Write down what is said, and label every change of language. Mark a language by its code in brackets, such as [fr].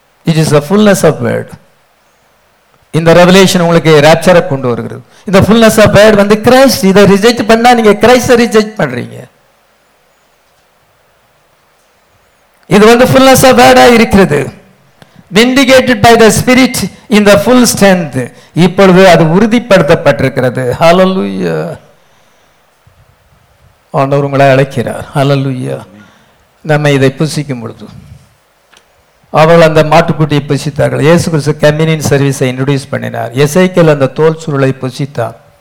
[en] It is the fullness of word. [ta] இந்த revelation உங்களுக்கு ராப்சரை கொண்டு வருகிறது. இந்த [en] fullness of word [ta] வந்து கிரைஸ்ட். இதை ரிஜெக்ட் பண்ணா நீங்க கிரைஸ்ட ரிஜெக்ட் பண்றீங்க. இது வந்து [en] fullness of வேர்டா [ta] இருக்கிறது. [en] Vindicated by the Spirit in the full strength. [ta] இப்பொழுது அது உறுதிப்படுத்தப்பட்டிருக்கிறது. ஹல்லேலூயா. ஆண்டவர் உங்களை அழைக்கிறார். ஹல்லேலூயா. நம்ம இதை புசிக்கும் பொழுது அவர்கள் அந்த மாட்டுக்குட்டியை புசித்தார்கள். இயேசு கிறிஸ்து கம்யூனியன் சர்வீஸை இன்ட்ரோடியூஸ் பண்ணினார். எசேக்கியேல் அந்த தோல் சுருளை புசித்தான்.